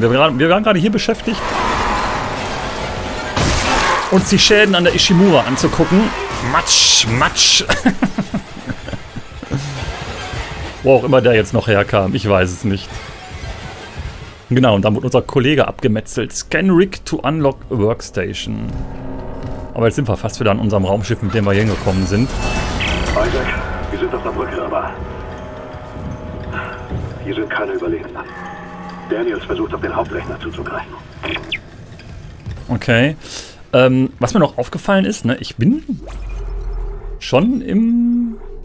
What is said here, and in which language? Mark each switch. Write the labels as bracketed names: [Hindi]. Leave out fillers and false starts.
[German] Wir waren gerade hier beschäftigt, uns die Schäden an der Ishimura anzugucken. Matsch, matsch. Wo auch immer der jetzt noch herkam, ich weiß es nicht. Genau, und dann wurde unser Kollege abgemetzelt. [English] Scan Rig to unlock Workstation. [German] Aber jetzt sind wir fast wieder an unserem Raumschiff, mit dem wir hingekommen sind. Isaac, wir sind auf der Brücke, aber hier sind keine Überlebenden. Daniels versucht, auf den Hauptrechner zuzugreifen. Okay. Was mir noch aufgefallen ist, ne, ich bin schon im...